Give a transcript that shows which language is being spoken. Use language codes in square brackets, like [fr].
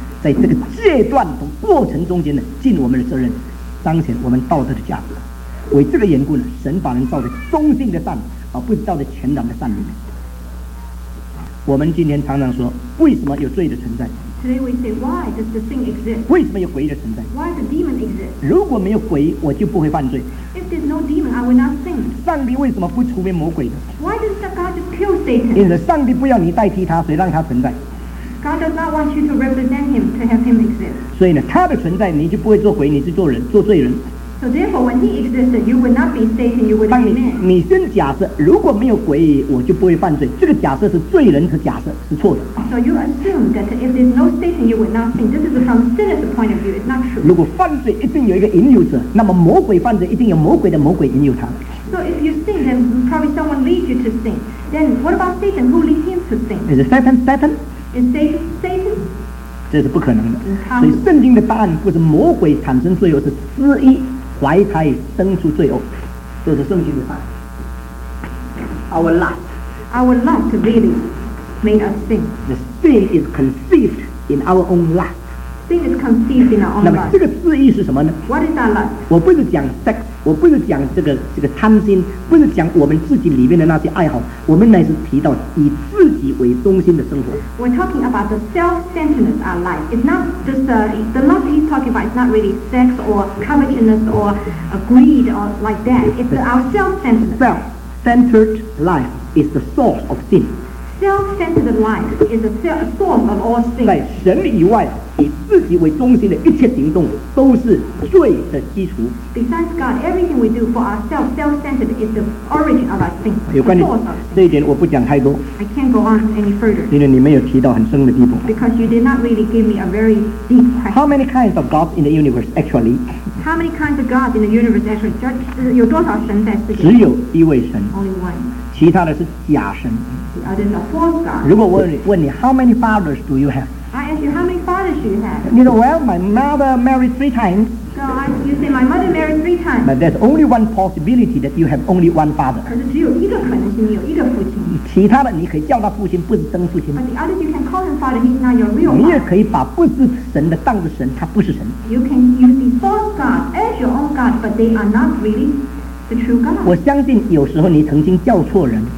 [zh] 在这个戒断的过程中间呢，尽我们的责任，彰显我们道德的价值。为这个缘故呢，神把人造的中性的善，而不是造的全然的善里面。我们今天常常说，为什么有罪的存在？ [en] Today we say, why does the thing exist? [zh] 为什么有鬼的存在？ [en] Why does the demon exist? [zh] 如果没有鬼，我就不会犯罪。 [en] If there's no demon, I will not sin. [zh] 上帝为什么不除灭魔鬼呢？ [en] Why does God just kill Satan? [zh] 因为上帝不要你代替他，谁让他存在？ [en] God does not want you to represent him, to have him exist. [zh] 所以呢，他的存在，你就不会做鬼，你是做人，做罪人。 [en] So therefore, when he existed, you would not be Satan, you would be man. [zh] 你先假设，如果没有鬼，我就不会犯罪。这个假设是罪人的假设，是错的。 [en] So you assume that if there's no Satan, you would not sin. This is from sinner's point of view. It's not true. [zh] 如果犯罪一定有一个引诱者，那么魔鬼犯罪一定有魔鬼的魔鬼引诱他。 [en] So if you sin, then probably someone leads you to sin. Then what about Satan? Who leads him to sin? Is it Satan? Satan? Is Satan Satan? [zh] 这是不可能的。所以圣经的答案不是魔鬼产生罪恶，是私欲怀胎生出罪恶，这是圣经的答案。 [en] Our lust really made us sin. The sin is conceived in our own lust. Sin is conceived in our own lust. [zh] 那么这个私欲是什么呢？ [en] What is our lust? [zh] 我不是讲 sex， 我不是讲这个贪心，不是讲我们自己里面的那些爱好，我们乃是提到以自己为中心的生活。 [en] We're talking about the self-centeredness of life. It's not just the lust he's talking about. It's not really sex or covetousness or greed or like that. It's our self-centeredness. Self-centered life is the source of sin. Self-centered life is the source of all sin. [zh] 在神以外，以自己为中心的一切行动都是罪的基础。 [en] Besides God, everything we do for ourselves, self-centered, is the origin of our sin. [zh] 有关于这一点，我不讲太多。 [en] I can't go on any further. [zh] 因为你没有提到很深的地步。 [en] Because you did not really give me a very deep question. How many kinds of gods in the universe actually? How many kinds of gods in the universe actually? [zh] 有多少神在世界？只有一位神。 [en] Only one. [zh] 其他的是假神。 [en] Are there no false gods? [zh] 如果问你 [en] How many fathers do you have? I ask you how many fathers do you have? You know, well, my mother married three times. So you say my mother married three times. But there's only one possibility that you have only one father. [zh] 可是只有一个可能性，你有一个父亲。其他的你可以叫他父亲，不是真父亲。 [en] But the others you can call him father, he's not your real father. [zh] 你也可以把不是神的当作神，他不是神。 [en] You can use the false gods as your own god, but they are not really. The true God. [zh] 我相信有时候你曾经叫错人。